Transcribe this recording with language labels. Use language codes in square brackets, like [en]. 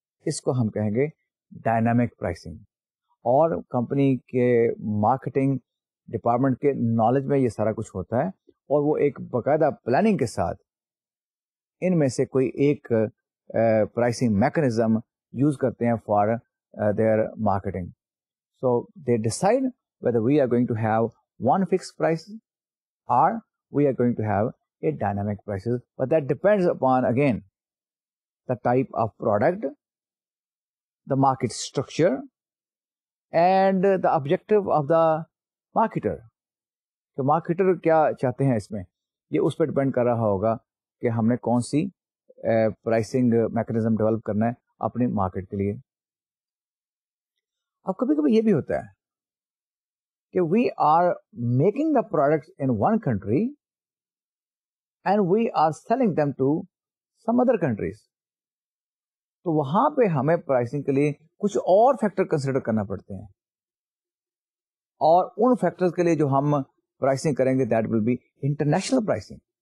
[ur] اس کو ہم کہیں گے dynamic pricing. اور company کے marketing department کے knowledge میں یہ سارا کچھ ہوتا ہے, اور وہ ایک باقاعدہ پلاننگ کے ساتھ ان میں سے کوئی ایک پرائسنگ میکانزم یوز کرتے ہیں [en] For their marketing. So they decide whether we are going to have one fix price or we are going to have a dynamic price, but that depends upon again the type of product, the market structure and the objective of the marketer. [ur] تو marketer کیا چاہتے ہیں اس میں, یہ اس پہ depend کر رہا ہوگا کہ ہم نے کون سی پرائسنگ میکانزم ڈیولپ کرنا ہے اپنی مارکیٹ کے لیے. اب کبھی کبھی یہ بھی ہوتا ہے کہ [en] we are making the product in one country and we are selling them to some other countries, [ur] تو وہاں پہ ہمیں پرائسنگ کے لیے کچھ اور فیکٹر کنسیڈر کرنا پڑتے ہیں, اور ان فیکٹرز کے لیے جو ہم پرائسنگ کریں گے [en] That will be international pricing.